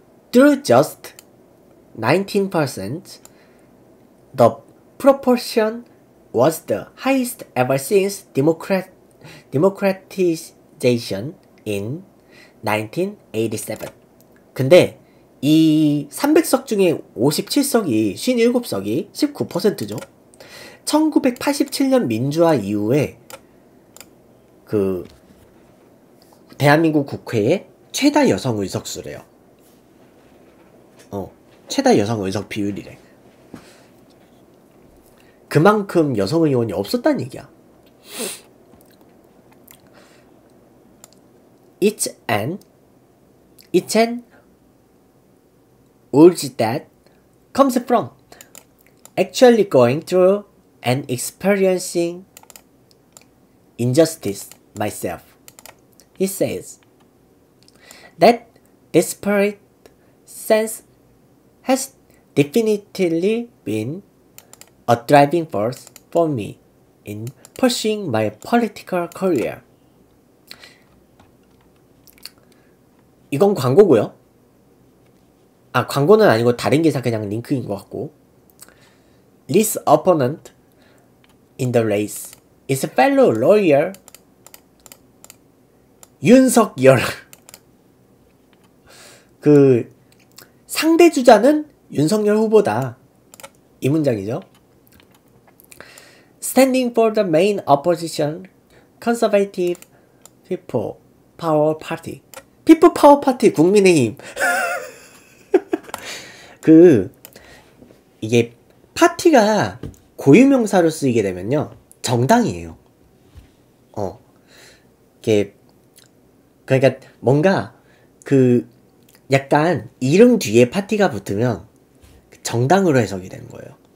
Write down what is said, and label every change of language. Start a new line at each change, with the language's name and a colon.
English: 'Through just 19%, the proportion was the highest ever since democratization in 1987.'
Korean: 근데 이 300석 중에 57석이 57석이 19%죠. 1987년 민주화 이후에 그 대한민국 국회의 최다 여성 의석수래요. 최다 여성 의석 비율이래. 그만큼 여성 의원이 없었단 얘기야.
English: It's an urge that comes from actually going through and experiencing injustice myself, he says. That disparate sense has definitely been a driving force for me in pursuing my political career.
Korean: 이건 광고고요. 아, 광고는 아니고 다른 기사 그냥 링크인 것 같고.
English: This opponent in the race is a fellow lawyer.
Korean: 윤석열. 그 상대 주자는 윤석열 후보다. 이 문장이죠.
English: Standing for the main opposition, Conservative People Power Party.
Korean: People Power Party 국민의힘. 그 이게 파티가 고유명사로 쓰이게 되면요, 정당이에요. 이게 그러니까 뭔가 그 약간 이름 뒤에 파티가 붙으면 정당으로 해석이 되는 거예요.